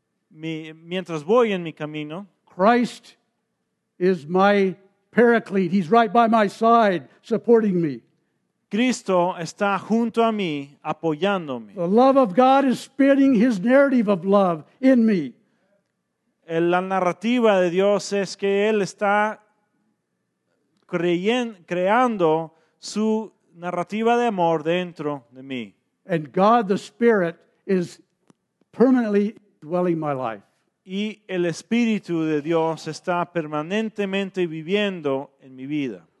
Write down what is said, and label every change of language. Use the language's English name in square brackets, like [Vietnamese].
[Spanish] mientras voy en mi camino, [English] Christ is my paraclete. He's right by my side, supporting me. [Spanish] Cristo está junto a mí, apoyándome. [English] The love of God is spinning his narrative of love in me. [Spanish] La narrativa de Dios es que Él está creando su narrativa de amor dentro de mí. [English] And God the Spirit is permanently dwelling my life. [Spanish] Y el Espíritu de Dios está permanentemente viviendo en mi vida.